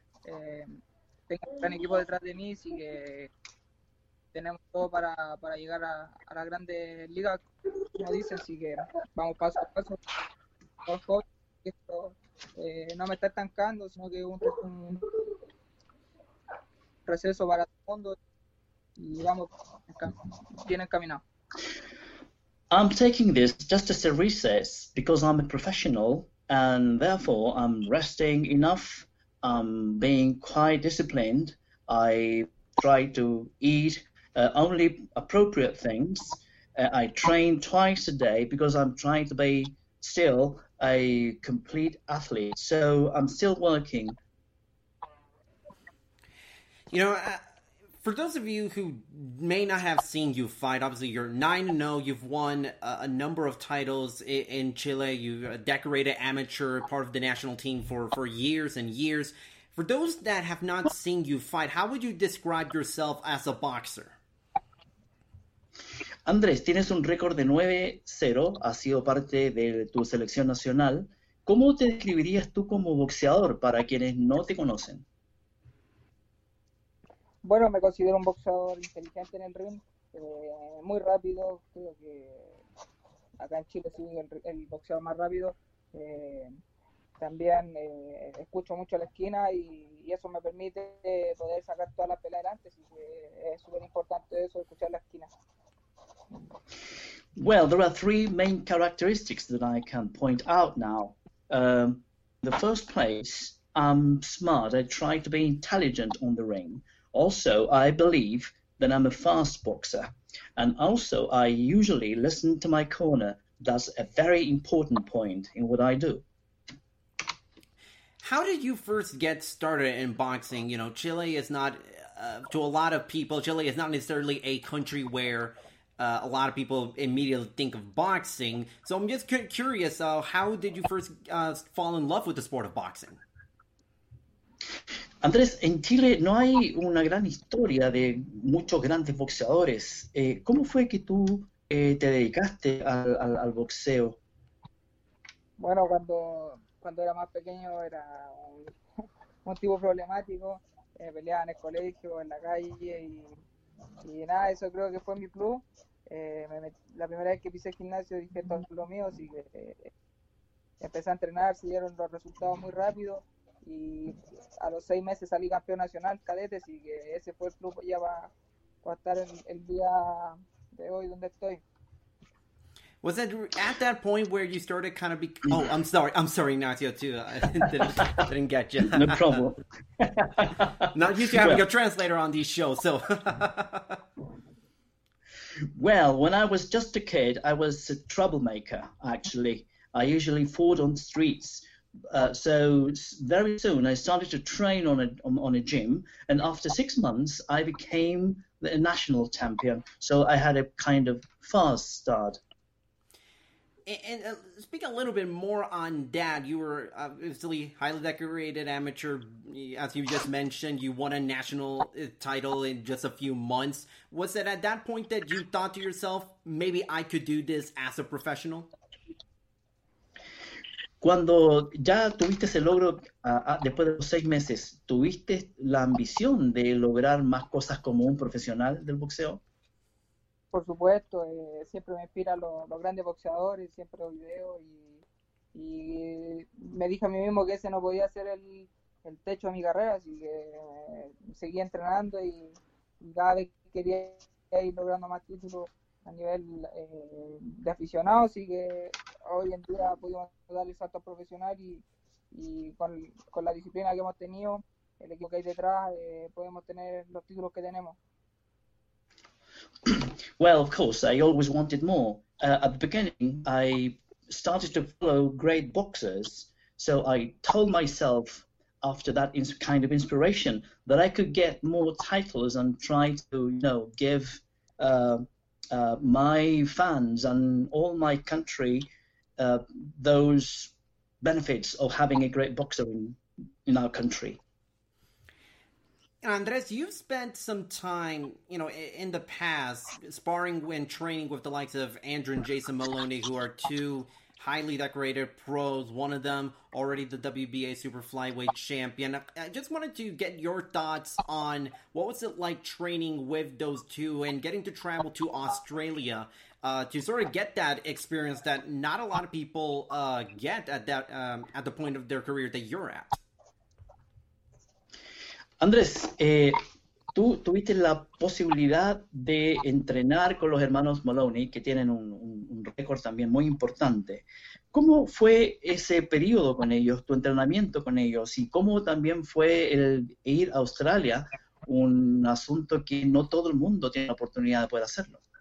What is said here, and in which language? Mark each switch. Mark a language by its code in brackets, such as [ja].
[es] Tengo un gran equipo detrás de mí, así que tenemos todo para llegar a la grande liga, como dice, así que vamos paso a paso. Esto, no me está estancando, sino que es un proceso para el mundo y vamos bien encaminado. [en] I'm taking this just as a recess because I'm a professional and therefore I'm resting enough. I'm being quite disciplined. I try to eat only appropriate things. I train twice a day because I'm trying to be still a complete athlete. So I'm still working. You know, for those of you who may not have seen you fight, obviously you're 9-0. You've won a number of titles in Chile. You're a decorated amateur, part of the national team for years and years. For those that have not seen you fight, how would you describe yourself as a boxer? [es] Andrés, tienes un récord de 9-0, has sido parte de tu selección nacional. ¿Cómo te describirías tú como boxeador para quienes no te conocen? Bueno, me considero un boxeador inteligente en el ring, muy rápido. Creo que acá en Chile soy el boxeador más rápido. También escucho mucho la esquina y eso me permite poder sacar todas las peleas adelante. Así que es súper importante eso, escuchar la esquina. [en] Well, there are three main characteristics that I can point out now. In the first place, I'm smart. I try to be intelligent on the ring. Also, I believe that I'm a fast boxer. And also, I usually listen to my corner. That's a very important point in what I do. How did you first get started in boxing? You know, Chile is not, to a lot of people, Chile is not necessarily a country where a lot of people immediately think of boxing. So I'm just curious, how did you first fall in love with the sport of boxing? [es] Andrés, en Chile no hay una gran historia de muchos grandes boxeadores. ¿Cómo fue que tú te dedicaste al boxeo? Bueno, cuando era más pequeño era un tipo problemático. Peleaba en el colegio, en la calle y nada, eso creo que fue mi plus. La primera vez que pisé el gimnasio dije todo lo mío, así que empecé a entrenar, se dieron los resultados muy rápido. Y a los 6 meses salí campeón nacional cadete, así que ese fue el club ya va a estar el día de hoy donde estoy. [en] Was it at that point where you started kind of oh, I'm sorry, Ignacio, too. I didn't get you. No problem. Not used to having a translator on these shows, so. Well, when I was just a kid, I was a troublemaker, actually. I usually fought on the streets. So very soon I started to train on a gym, and after 6 months I became the national champion. So I had a kind of fast start. And speak a little bit more on that. You were obviously highly decorated amateur, as you just mentioned. You won a national title in just a few months. Was it at that point that you thought to yourself, maybe I could do this as a professional? [es] Cuando ya tuviste ese logro, después de los 6 meses, ¿tuviste la ambición de lograr más cosas como un profesional del boxeo? Por supuesto, siempre me inspira los grandes boxeadores, siempre los videos, y me dije a mí mismo que ese no podía ser el techo de mi carrera, así que seguí entrenando y cada vez quería ir logrando más títulos a nivel de aficionado, así que hoy en día pudimos dar el salto profesional y con la disciplina que hemos tenido, el equipo que hay detrás, podemos tener los títulos que tenemos. [en] Well, of course, I always wanted more. At the beginning, I started to follow great boxers, so I told myself after that kind of inspiration that I could get more titles and try to, you know, give my fans and all my country those benefits of having a great boxer in our country. Andres, you've spent some time, you know, in the past sparring and training with the likes of Andrew and Jason Maloney, who are two highly decorated pros, one of them already the WBA super flyweight champion. I just wanted to get your thoughts on what was it like training with those two and getting to travel to Australia to sort of get that experience that not a lot of people get at that at the point of their career that you're at. [es] Andrés, tú tuviste la posibilidad de entrenar con los hermanos Maloney, que tienen un récord también muy importante. ¿Cómo fue ese periodo con ellos, tu entrenamiento con ellos? ¿Y cómo también fue el ir a Australia, un asunto que no todo el mundo tiene la oportunidad de poder hacerlo?